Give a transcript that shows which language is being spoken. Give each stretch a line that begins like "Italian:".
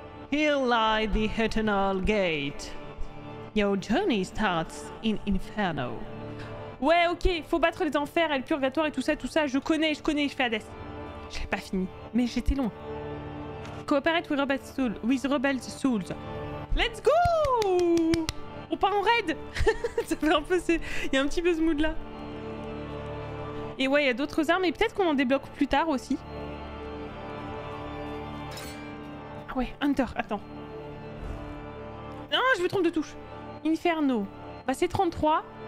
English: Here lies the Eternal Gate. Your journey starts in Inferno.
French: Ouais, ok, faut battre les enfers et le purgatoire et tout ça, je connais, je fais Hadès. Je l'ai pas fini, mais j'étais loin.
English: Cooperate with Rebel Souls. Let's go!
French: On part en raid! Ça fait un peu, c'est... Il y a un petit peu ce mood là. Et ouais, il y a d'autres armes et peut-être qu'on en débloque plus tard aussi. Ah ouais, Hunter, attends. Non, je me trompe de touche. Inferno. Bah c'est 33.